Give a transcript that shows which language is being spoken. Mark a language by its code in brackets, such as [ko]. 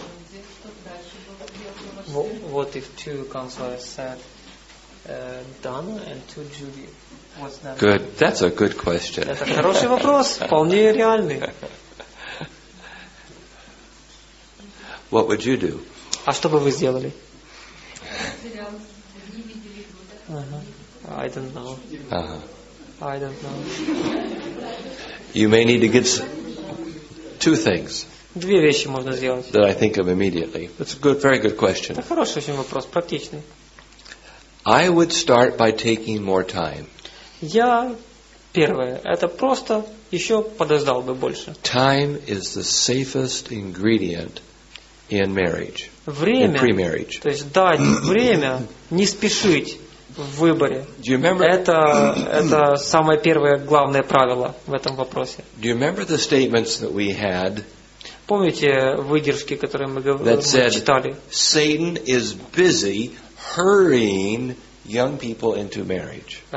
[en] What if two counselors said Dana and two Judy? What's that? Good. That's a good question. [ru] Это хороший вопрос, вполне реальный. [en] What would you do? [ru] А что бы вы сделали? [en] I don't know. You may need to get two things. [ru] Две вещи можно сделать. [en] That I think of immediately. It's a good, very good question. [ru] Это хороший очень вопрос, практичный. [en] I would start by taking more time. [ru] Я первое, это просто еще подождал бы больше. [en] Time is the safest ingredient in marriage. [ru] Время, [en] in pre-marriage. [ru] То есть дать время, не спешить в выборе. [en] Do you remember? [ru] Это самое первое главное правило в этом вопросе. [en] Do you remember the statements that we had? [ru] Помните выдержки, которые мы читали? [en] Satan is busy hurrying young people into marriage.